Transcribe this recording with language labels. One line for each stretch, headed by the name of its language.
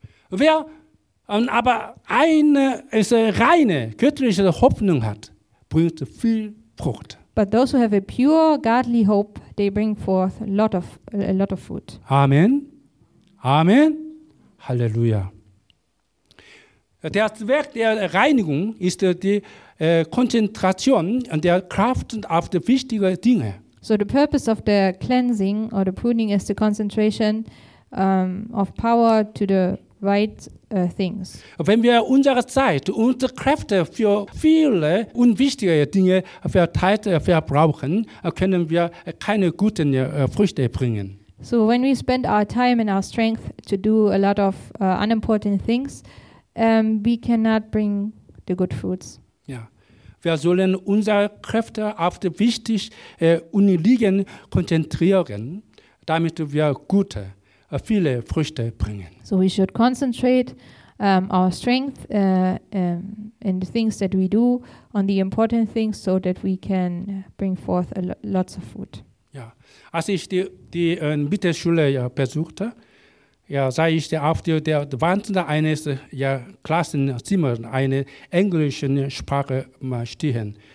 German: Wer aber eine reine göttliche Hoffnung hat, bringt viel Frucht.
English: But those who have a pure godly hope, they bring forth a lot of fruit. Amen. Amen. Halleluja.
German: Der Zweck der Reinigung ist die Konzentration der Kraft auf die wichtigen Dinge.
English: So the purpose of the cleansing or the pruning is the concentration of power to the right things.
German: Wenn wir unsere Zeit und Kräfte für viele unwichtige Dinge verteilt verbrauchen, können wir keine guten Früchte bringen.
English: So when we spend our time and our strength to do a lot of unimportant things, we cannot bring the good fruits. Ja.
German: Wir sollen unsere Kräfte auf die wichtigen Unliegen konzentrieren, damit wir gute, viele Früchte bringen.
English: So we should concentrate our strength in the things that we do on the important things so that we can bring forth lots of fruit. Ja.
German: Als ich die Mittelschule besuchte, sah ich auf der Wand eines Klassenzimmers eine englische Sprache stehen.